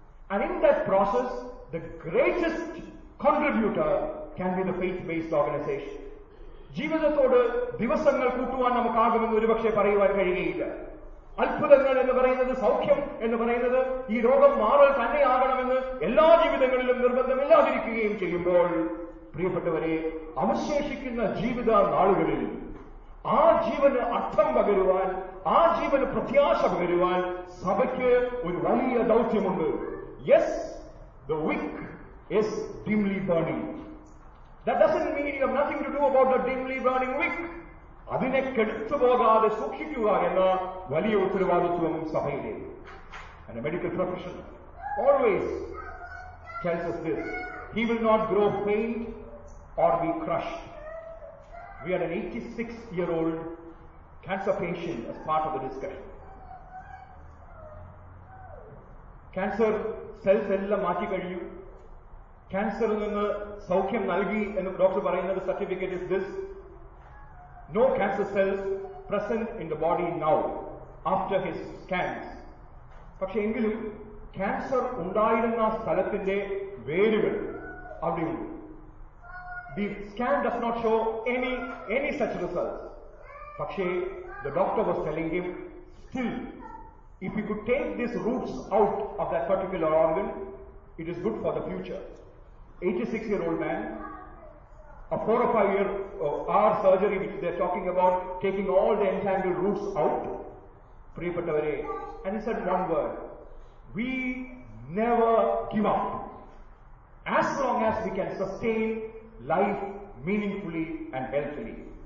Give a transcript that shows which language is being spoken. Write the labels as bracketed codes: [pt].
[en] And in that process, the greatest contributor can be the faith-based organization. [ml] ജീവിതത്തോട് ദിവസങ്ങൾ കൂട്ടുവാൻ നമുക്കാകുമെന്ന് ഒരുപക്ഷെ പറയുവാൻ കഴിയുകയില്ല. അത്ഭുതങ്ങൾ എന്ന് പറയുന്നത്, സൗഖ്യം എന്ന് പറയുന്നത്, ഈ രോഗം മാറൽ തന്നെയാകണമെന്ന് എല്ലാ ജീവിതങ്ങളിലും നിർബന്ധമില്ലാതിരിക്കുകയും ചെയ്യുമ്പോൾ, പ്രിയപ്പെട്ടവരെ, അവശേഷിക്കുന്ന ജീവിത നാളുകളിൽ ആ ജീവന് അർത്ഥം പകരുവാൻ, ആ ജീവന് പ്രത്യാശ പകരുവാൻ സഭയ്ക്ക് ഒരു വലിയ ദൗത്യമുണ്ട്. [en] Yes, the wick is dimly burning. That doesn't mean you have nothing to do about the dimly burning wick. [ml] അതിനെ കെടുത്തു പോകാതെ സൂക്ഷിക്കുക എന്ന വലിയ ഉത്തരവാദിത്വം സഭയിലെ. [en] And a medical professional always tells us this. He will not grow faint or be crushed. We had an 86-year-old cancer patient as part of the discussion. [ml] Cancer cells എല്ലാം മാറ്റി കഴിയും. ക്യാൻസറിൽ നിന്ന് സൗഖ്യം നൽകി എന്ന് ഡോക്ടർ പറയുന്നത് [en] Certificate is this. No cancer cells present in the body now after his scans. [ml] പക്ഷെ എങ്കിലും ക്യാൻസർ ഉണ്ടായിരുന്ന സ്ഥലത്തിന്റെ വേരുകൾ അവിടെയുണ്ട്. [en] The scan does not show any such results. പക്ഷേ the doctor was telling him still if you could take this roots out of the particular organ it is good for the future. 86-year-old man, a 4 or 5 year hour surgery which they are talking about, taking all the entangled roots out, Priyapattavare, and he said one word, we never give up, as long as we can sustain life meaningfully and healthily.